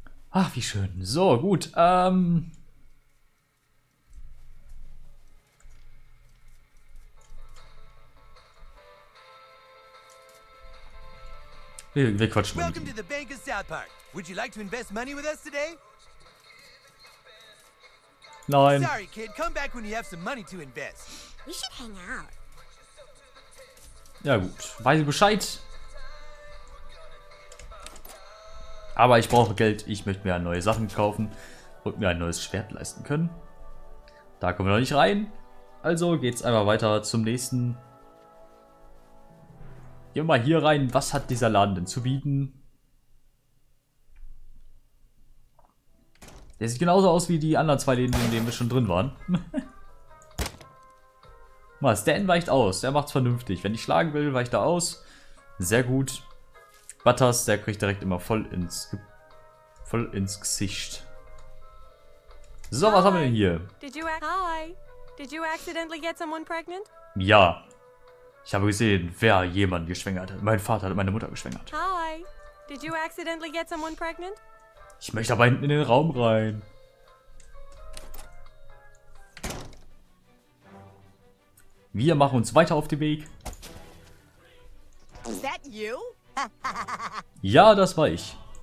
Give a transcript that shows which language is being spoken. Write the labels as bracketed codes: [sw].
[de] Ach, wie schön. So, gut, wir quatschen mal. [en] Welcome to the Bank of South Park. Would you like to invest money with us today? [de] Nein. [en] Sorry, kid. Come back when you have some money to invest. We should hang out. [de] Ja gut, weiß ich Bescheid. Aber ich brauche Geld. Ich möchte mir neue Sachen kaufen und mir ein neues Schwert leisten können. Da kommen wir noch nicht rein. Also geht's einfach weiter zum nächsten. Gehen wir mal hier rein, was hat dieser Laden denn zu bieten? Der sieht genauso aus wie die anderen zwei Läden, in denen wir schon drin waren. Mal, Stan weicht aus, der macht's vernünftig. Wenn ich schlagen will, weicht er aus. Sehr gut. Butters, der kriegt direkt immer voll ins Gesicht. So, was haben wir denn hier? [en] Hi. Did you accidentally get someone pregnant? [de] Ja. Ich habe gesehen, wer jemanden geschwängert hat. Mein Vater hat meine Mutter geschwängert. [en] Hi. Did you accidentally get someone pregnant? [de] Ich möchte aber hinten in den Raum rein. Wir machen uns weiter auf den Weg. [en] Is that you? [de] Ja, das war ich.